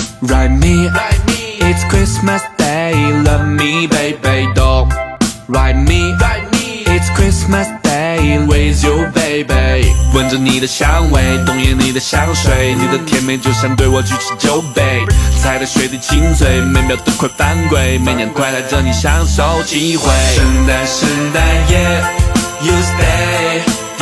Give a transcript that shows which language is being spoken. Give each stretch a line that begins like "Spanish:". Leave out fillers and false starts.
English: Ride me, it's Christmas day. Love me, baby dog. Ride me, it's Christmas day. With you, baby.
Chinese: 闻着你的香味，冬夜你的香水，你的甜美就像对我举起酒杯，踩在水里亲嘴，每秒都快犯规，每年快来着你享受机会。圣诞圣诞
English: yeah, you stay.